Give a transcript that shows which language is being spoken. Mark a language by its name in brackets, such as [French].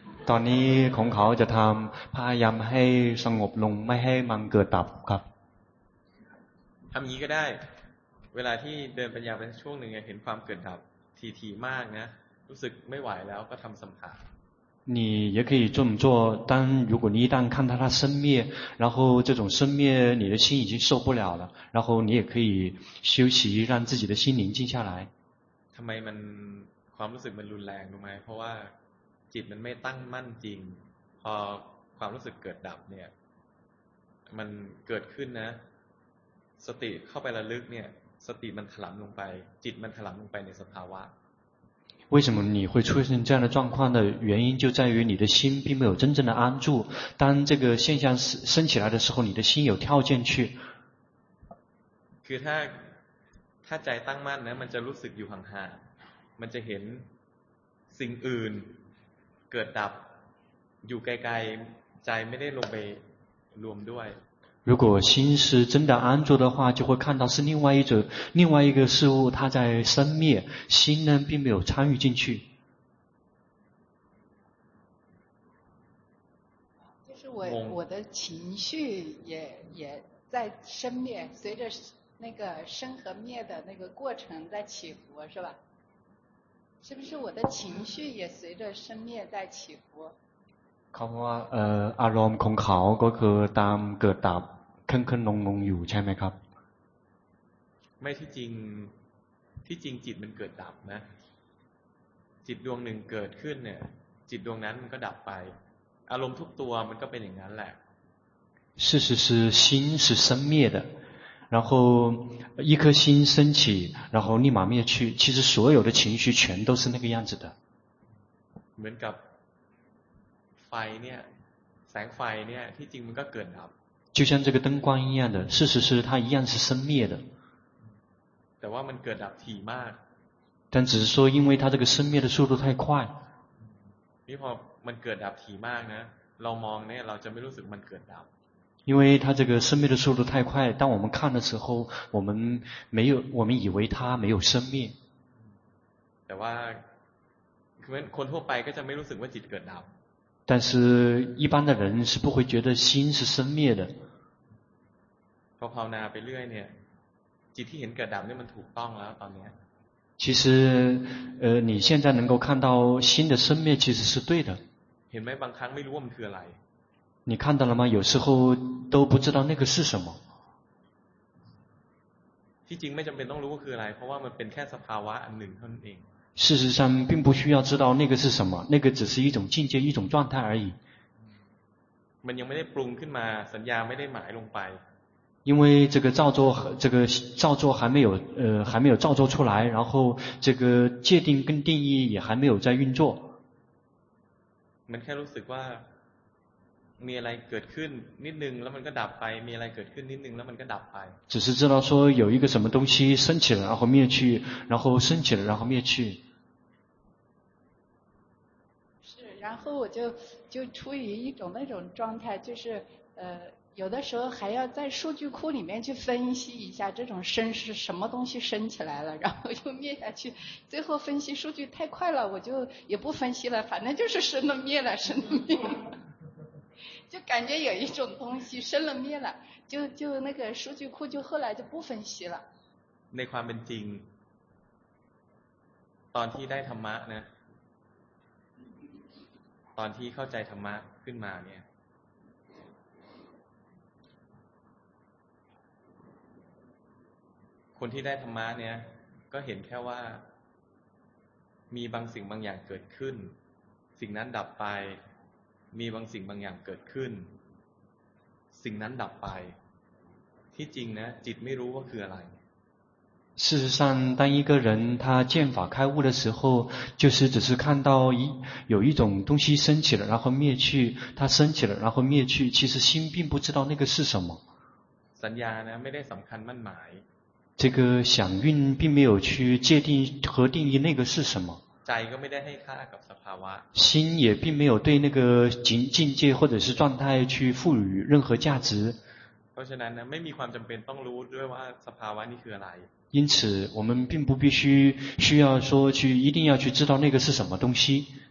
[Thai] ตอนนี้ของเขาจะทำพยายามให้สงบลงไม่ให้มันเกิดดับครับ ทำอย่างนี้ก็ได้เวลาที่เดินปัญญาเป็นช่วงหนึ่งเห็นความเกิดดับทีๆมากนะรู้สึกไม่ไหวแล้วก็ทำสมถะ [Chinese] 你也可以这么做，但如果你一旦看到它生灭，然后这种生灭你的心已经受不了了，然后你也可以休息，让自己的心宁静下来。 [Thai] ทำไมมันความรู้สึกมันรุนแรงรู้ไหมเพราะว่าจิตมันไม่ตั้งมั่นจริงพอความรู้สึกเกิดดับเนี่ยมันเกิดขึ้นนะสติเข้าไประลึกเนี่ยสติมันถลำลงไปจิตมันถลำลงไปในสภาวะ [Chinese] 为什么你会出现这样的状况的原因就在于你的心并没有真正的安住当这个现象升起来的时候你的心有跳进去 [Thai] คือถ้าใจตั้งมั่นนะมันจะรู้สึกอยู่ห่างๆมันจะเห็นสิ่งอื่นเกิดดับอยู่ไกลๆใจไม่ได้ลงไปรวมด้วย [Chinese] 如果心是真的安住的话，就会看到是另外一种、另外一个事物，它在生灭，心呢并没有参与进去。就是我的情绪也在生灭，随着那个生和灭的那个过程在起伏，是吧？是不是我的情绪也随着生灭在起伏？ [Thai] เขาว่าอารมณ์ของเขาก็คือตามเกิดดับขึ้นขึ้นลงลงอยู่ใช่ไหมครับ ไม่ที่จริงจิตมันเกิดดับนะจิตดวงหนึ่งเกิดขึ้นเนี่ยจิตดวงนั้นมันก็ดับไปอารมณ์ทุกตัวมันก็เป็นอย่างนั้นแหละ [Chinese] 事实是心是生灭的然后一颗心升起然后立马灭去其实所有的情绪全都是那个样子的 [Thai] เหมือนกับไฟเนี่ยแสงไฟเนี่ยที่จริงมันก็เกิดดับ [Chinese] 就像这个灯光一样的事实是它一样是生灭的 [Thai] แต่ว่ามันเกิดดับถี่มาก [Chinese] 但只是说因为它这个生灭的速度太快 [Thai] นี่พอมันเกิดดับถี่มากนะเรามองเนี่ยเราจะไม่รู้สึกมันเกิดดับ [Chinese] 因为它这个生灭的速度太快当我们看的时候我们以为它没有生灭 [Thai] แต่ว่าคนทั่วไปก็จะไม่รู้สึกว่าจิตเกิดดับ [Chinese] 但是一般的人是不会觉得心是生灭的 [Thai] พอภาวนาไปเรื่อยเนี่ยจิตที่เห็นเกิดดับเนี่ยมันถูกต้องแล้วตอนนี้ [Chinese] 其实你现在能够看到心的生灭其实是对的 [Thai] เห็นไหมบางครั้งไม่รู้ว่ามันคืออะไร [Chinese] 你看到了吗有时候都不知道那个是什么 [Thai] ที่จริงไม่จำเป็นต้องรู้ว่าคืออะไรเพราะว่ามันเป็นแค่สภาวะอันหนึ่งเท่านั้นเอง [Chinese] 事实上并不需要知道那个是什么那个只是一种境界一种状态而已 [Thai] มันยังไม่ได้ปรุงขึ้นมาสัญญาไม่ได้หมายลงไป [Chinese] 因为这个造作还没有造作出来然后这个界定跟定义也还没有在运作 [Thai] มันแค่รู้สึกว่ามีอะไรเกิดขึ้นนิดนึงแล้วมันก็ดับไปมีอะไรเกิดขึ้นนิดนึงแล้วมันก็ดับไป [Chinese] 只是知道说有一个什么东西升起了然后灭去然后升起了然后灭去是然后我就处于一种那种状态就是有的时候还要在数据库里面去分析一下这种升是什么东西升起来了然后又灭下去最后分析数据太快了我就也不分析了反正就是升了灭了升了灭了就感觉有一种东西生了灭了就那个数据库就后来就不分析了 [Thai] ในความเป็นจริงตอนที่ได้ธรรมะนะตอนที่เข้าใจธรรมะขึ้นมาเนี่ยคนที่ได้ธรรมะเนี่ยก็เห็นแค่ว่ามีบางสิ่งบางอย่างเกิดขึ้นสิ่งนั้นดับไปมีบางสิ่งบางอย่างเกิดขึ้นสิ่งนั้นดับไปที่จริงนะจิตไม่รู้ว่าคืออะไร [Chinese] 事实上当一个人他见法开悟的时候就是只是看到有一种东西升起了然后灭去它升起了然后灭去其实心并不知道那个是什么 [Thai] สัญญานะไม่ได้สำคัญมั่นหมาย [Chinese] 这个想运并没有去界定和定义那个是什么 [Thai] ใจก็ไม่ได้ให้ค่ากับสภาวะ [Chinese] 心也并没有对那个境界或者是状态去赋予任何价值 [Thai] เพราะฉะนั้นไม่มีความจำเป็นต้องรู้ด้วยว่าสภาวะนี่คืออะไร [Chinese] 因此我们并不必须需要说去一定要去知道那个是什么东西